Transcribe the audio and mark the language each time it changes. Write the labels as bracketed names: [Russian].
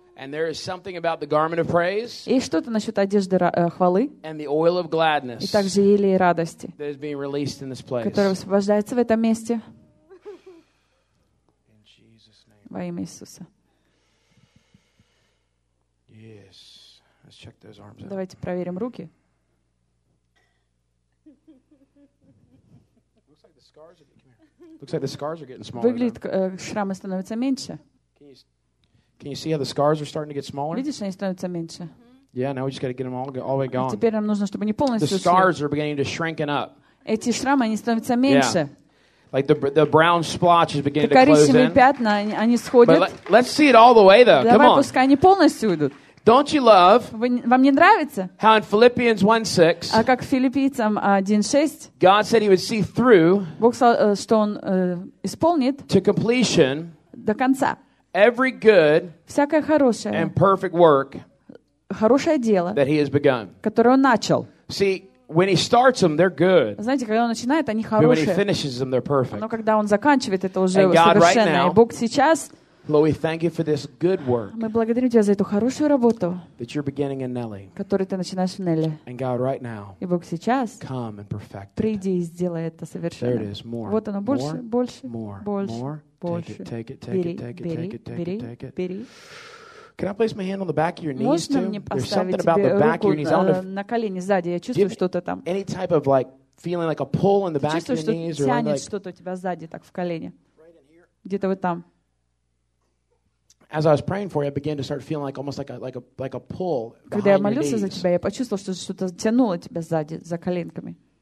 [English] And there is something about the garment of praise. [Russian] И что-то насчёт одежды хвалы. [English] And the oil of gladness. [Russian] И также елей радости. [English] That is being released in this place. [Russian] Которое освобождается в этом месте. [English] In Jesus name. [Russian] Во имя Иисуса. [English] Yes. Let's check those arms out. [Russian] Давайте проверим руки. [English] Looks like the scars are getting smaller. Looks like the scars are getting smaller. [Russian] Выглядит, шрамы становятся меньше. [English] Can you see how the scars are starting to get smaller? [Russian] Видишь, они становятся меньше. [English] Yeah, now we just got to get them all the way gone. [Russian] Теперь нам нужно, чтобы они полностью ушли. [English] The scars are beginning to shrink up. [Russian] Эти шрамы, они становятся меньше. [English] Yeah. Like the brown splotch is beginning to close in. [Russian] Коричневые пятна, они сходят. [English] Let's see it all the way though. [Russian] Давай, Давай, пускай они полностью уйдут. [English] Don't you love? [Russian] Вам не нравится? [English] How in Philippians 1:6? [Russian] А как Филиппийцам 1:6? [English] God said He would see through. [Russian] Бог сказал, что он исполнит. [English] To completion. [Russian] До конца. [English] Every good [Russian] всякое хорошее [English] and perfect work [Russian] хорошее дело [English] that he has begun. [Russian] Которое он начал. [English] See, when he starts them, they're good. [Russian] Знаете, когда он начинает, они хорошие. [English] But when he finishes them, they're perfect. [Russian] Но когда он заканчивает, это уже совершенно. [English] Right, [Russian] и Бог сейчас, [English] Lord, we thank you for this good work, [Russian] мы благодарим Тебя за эту хорошую работу, [English] that you're beginning in Nelly, [Russian] которую Ты начинаешь в Нелли. [English] And God, right now, [Russian] и Бог сейчас, [English] come and perfect it. [Russian] Приди и сделай это совершенно. [English] There it is, more, [Russian] вот оно, больше, [English] more, [Russian] больше, [English] more, [Russian] больше. [English] More. Take it. Can I place my hand on the back of your knees too? There's something about the back of your knees. [Russian] На колени сзади я чувствую что-то там. [English] Any type of like feeling like a pull in the back of your knees or like [Russian] что-то у тебя сзади так в колене. Где-то вот там. [English] As I was praying for you, I began to start feeling like almost like a pull. [Russian] Когда я молился за тебя, я почувствовал, что что-то тянуло тебя сзади за коленками.